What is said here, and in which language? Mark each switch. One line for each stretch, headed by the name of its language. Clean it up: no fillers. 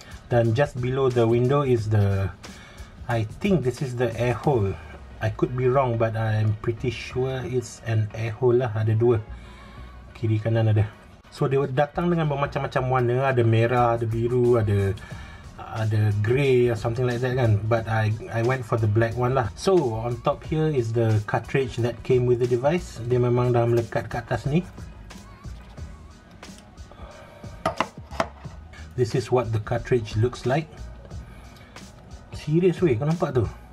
Malay: Dan
English: just below the window is the, I think this is the air hole. I could be wrong but I'm pretty sure it's an air hole lah.
Malay: Ada dua, kiri kanan ada.
English: So
Malay: dia datang dengan bermacam-macam warna. Ada merah, ada biru, ada ada grey
English: or something like that
Malay: kan.
English: But I went for the black one lah. So on top here is the cartridge that came with the device.
Malay: Dia memang dah melekat kat atas ni.
English: This is what the cartridge looks like.
Malay: Serius weh, kau nampak tu?